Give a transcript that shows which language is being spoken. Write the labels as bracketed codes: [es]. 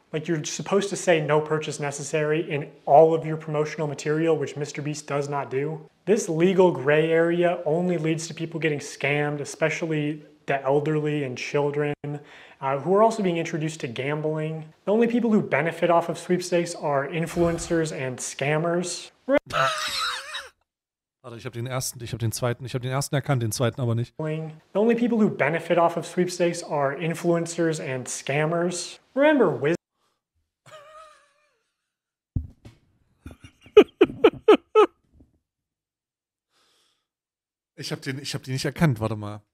[en] Like, you're supposed to say no purchase necessary in all of your promotional material, which MrBeast does not do. This legal gray area only leads to people getting scammed, especially the elderly and children, who are also being introduced to gambling. The only people who benefit off of sweepstakes are influencers and scammers. [de] Warte, ich habe den ersten erkannt, den zweiten aber nicht. [en] The only people who benefit off of sweepstakes are influencers and scammers. Remember, Wiz. [de] ich habe den nicht erkannt, warte mal.